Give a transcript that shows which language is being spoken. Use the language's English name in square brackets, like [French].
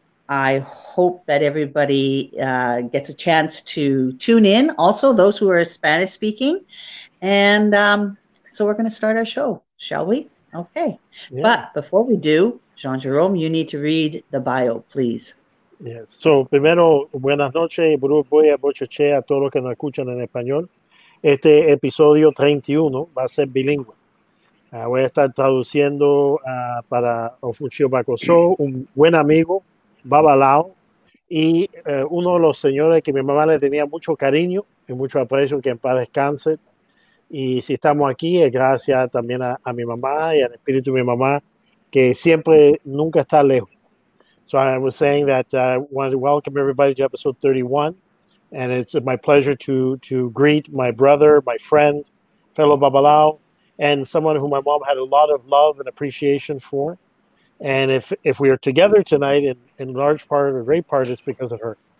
[English] I hope that everybody gets a chance to tune in. Also, those who are Spanish speaking. And so we're going to start our show, shall we? Okay. Yeah. But before we do, Jean Jerome, you need to read the bio, please. Yes. [Spanish] So, primero, buenas noches. Voy a bochoche a todos los que nos escuchan en español. Este episodio 31 va a ser bilingüe. Voy a estar traduciendo para Ufanshi Oba Kosa, un buen amigo, Babalao, y uno de los señores que mi mamá le tenía mucho cariño y mucho aprecio, que en paz descanse. Y si estamos aquí es gracias también a mi mamá y al espíritu de mi mamá, que siempre, nunca está lejos. [English] So I was saying that I wanted to welcome everybody to episode 31. And it's my pleasure to greet my brother, my friend, fellow Babalao, and someone who my mom had a lot of love and appreciation for. And if we are together tonight, in large part, a great part, it's because of her.